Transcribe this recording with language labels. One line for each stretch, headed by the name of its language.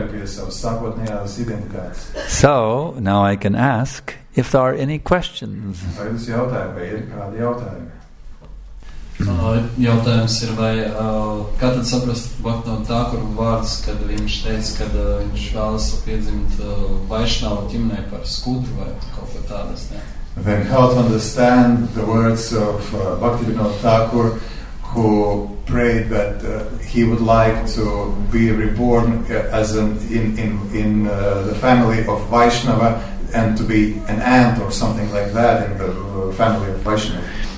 English: So, now I can ask if there are any questions.
Latvian: Jautājums ir, vai kā tad saprast Bhakti Thakura vārdus, kad viņš teica, ka viņš vēlas piedzimt Vaishnava ģimenē par skudru vai kaut ko tādas, ne?
English: Then how to understand the words of Bhaktivinoda Thakur, who prayed that he would like to be reborn as the family of Vaishnava and to be an aunt or something like that in the family of Vaishnava.